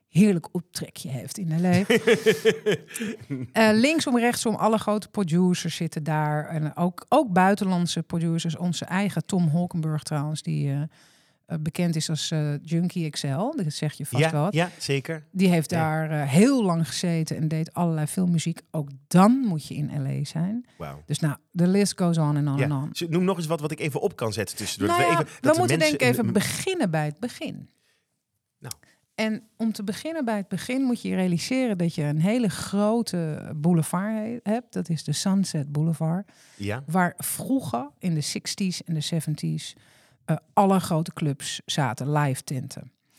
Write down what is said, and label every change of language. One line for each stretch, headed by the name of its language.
Dutch: heerlijk optrekje heeft in L.A. linksom, rechtsom, alle grote producers zitten daar. En ook buitenlandse producers. Onze eigen Tom Holkenburg trouwens, die bekend is als Junkie XL. Dat zeg je vast ja, wat. Ja, zeker. Die heeft daar heel lang gezeten en deed allerlei filmmuziek. Ook dan moet je in L.A. zijn. Wow.
English: Dus nou, the list goes on and on and on.
Dutch: Noem nog eens wat ik even op kan zetten tussendoor. Nou ja, we moeten denk ik even beginnen bij het begin. Nou. En om te beginnen bij het begin moet je realiseren dat je een hele grote boulevard hebt. Dat is de Sunset Boulevard. Ja. Waar vroeger in de 60s en de 70s alle grote clubs zaten, live tenten.